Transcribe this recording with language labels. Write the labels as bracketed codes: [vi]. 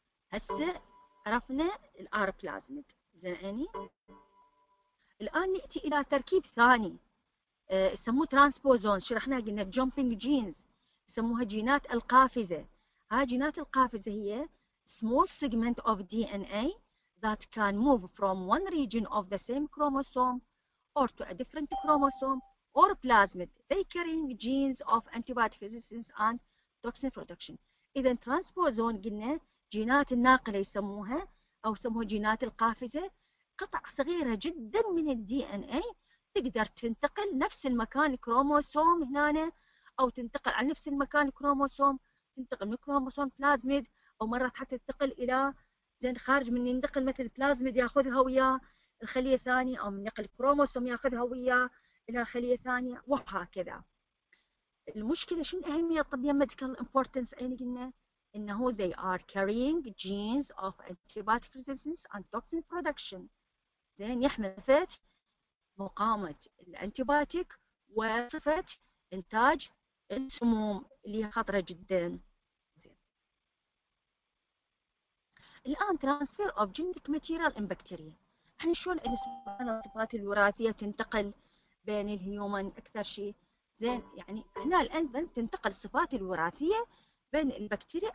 [ar] هسه عرفنا الار بلازميد زيني. الان ناتي الى تركيب ثاني يسموه ترانسبوزونز، شرحناها قلنا جامبينج جينز، يسموها جينات القافزه. هاي جينات القافزه هي [en] small segment of DNA that can move from one region of the same chromosome or to a different chromosome or plasmid. They carrying genes of antibiotic resistance and toxin production. [ar] إذن transposon قلنا جينات الناقلة يسموها أو يسموها جينات القافزة، قطع صغيرة جدا من الـ DNA تقدر تنتقل نفس المكان الكروموسوم هنا أو تنتقل على نفس المكان الكروموسوم، تنتقل من الكروموسوم بلازميد أو مرات حتى تنتقل إلى زين خارج من ينتقل مثل البلازميد ياخذها وياه الخلية ثانية أو من نقل الكروموسوم ياخذها وياه إلى خلية ثانية وهكذا. المشكلة شنو أهمية الطبية ميديكال امبورتنس عيني قلنا؟ إنه [en] they are carrying genes of antibiotic resistance and toxin production. [ar] زين يحمل صفة مقاومة الأنتيباتيك وصفة إنتاج السموم اللي خطرة جدا. الآن [en] transfer of genetic material in bacteria. [ar] إحنا شلون الصفات الوراثية تنتقل بين الهيومن أكثر شيء؟ زين يعني هنا الأنزيم تنتقل الصفات الوراثية بين البكتيريا.